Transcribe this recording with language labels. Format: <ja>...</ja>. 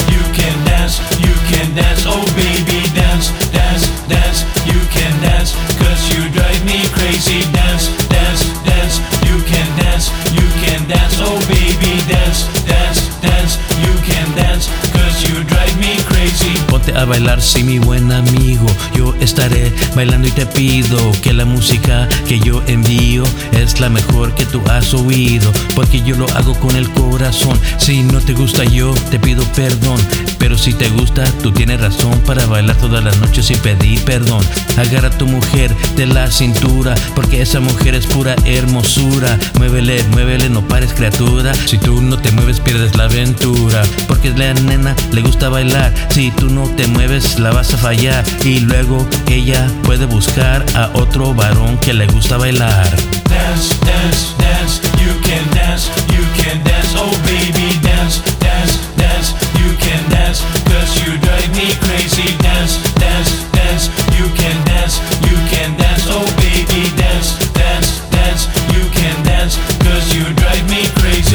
<en>You can dance, oh baby, dance, dance, dance. You can dance, cause you drive me crazy. Dance, dance, dance. You can dance, you can dance, oh baby, dance, dance, dance. You can dance, cause you drive me crazy.</en> <es>Ponte a bailar, si mi buen amigo. Yo estaré bailando y te pido que la música que yo envío es la mejor que tú has oído, porque yo lo hago con el corazón. Si no te gusta, yo te pido perdón. Pero si te gusta, tú tienes razón para bailar todas las noches y pedir perdón. Agarra a tu mujer de la cintura, porque esa mujer es pura hermosura. Muévele, muévele, no pares criatura. Si tú no te mueves, pierdes la aventura. Porque la nena le gusta bailar. Si tú no te mueves, la vas a fallar. Y luego ella puede buscar a otro varón que le gusta bailar.</es> <en>Dance, dance, dance. You can dance, you can dance. Oh baby, dance, dance, dance. You can dance, cause you drive me crazy. Dance, dance, dance. You can dance, you can dance. Oh baby, dance, dance, dance. You can dance, cause you drive me crazy.</en>